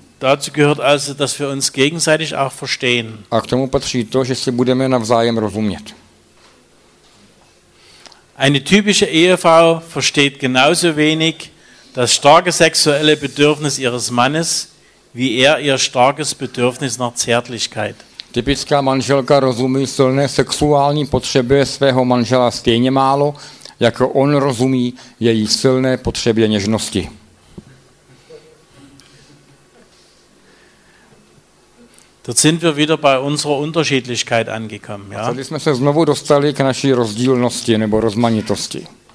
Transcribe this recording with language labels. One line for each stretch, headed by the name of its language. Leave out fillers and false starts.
German: Dazu gehört also, dass wir uns gegenseitig auch verstehen.
Czech: A k tomu patří to, že si budeme navzájem rozumět.
German: Eine typische Ehefrau versteht genauso wenig das starke sexuelle Bedürfnis ihres Mannes, wie er ihr starkes Bedürfnis nach Zärtlichkeit.
Czech: Typická manželka rozumí silné sexuální potřeby svého manžela stejně málo, jako on rozumí její silné potřeby něžnosti.
German: Dort sind wir wieder bei unserer Unterschiedlichkeit angekommen, ja?
Czech: Tady jsme se znovu dostali k naší rozdílnosti nebo rozmanitosti.